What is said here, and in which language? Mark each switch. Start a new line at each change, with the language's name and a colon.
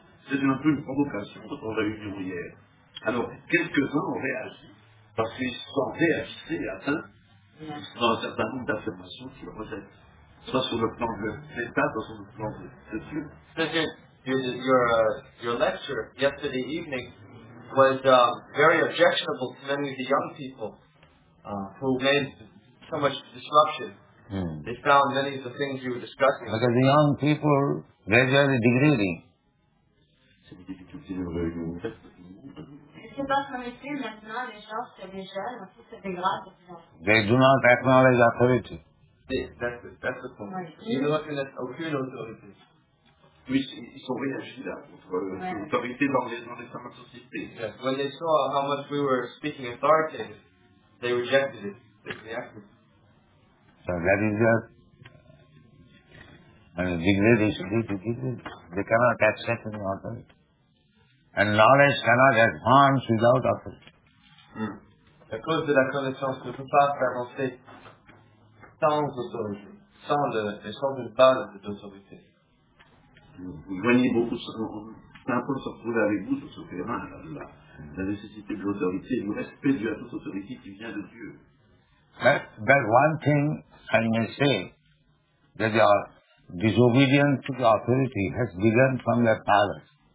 French: C'est un peu une provocation de notre réunion hier. Alors, quelques-uns ont réagi parce qu'ils se sont réagissés atteints dans un certain nombre d'affirmations qu'ils rejettent, soit sur le plan de l'État, soit sur le plan de Dieu.
English: Your lecture yesterday evening was very objectionable to many of the young people who made so much disruption. They found many of the things you were discussing. Because the young people, they are degrading. They do not acknowledge authority. That's the point. You do not acknowledge authority. When they saw how much we were speaking authority, they rejected it. So that is just a degradation. They cannot accept any authority. And knowledge cannot advance without authority.
French: la cause de la connaissance ne peut pas avancer sans autorité, sans, sans une base d'autorité. Vous gagnez beaucoup, c'est un peu de se retrouver avec vous sur ce terrain, la nécessité de l'autorité, le respect dû à toute autorité qui vient de Dieu.
English: But one thing I may say, that your disobedience to the authority has begun from their fathers.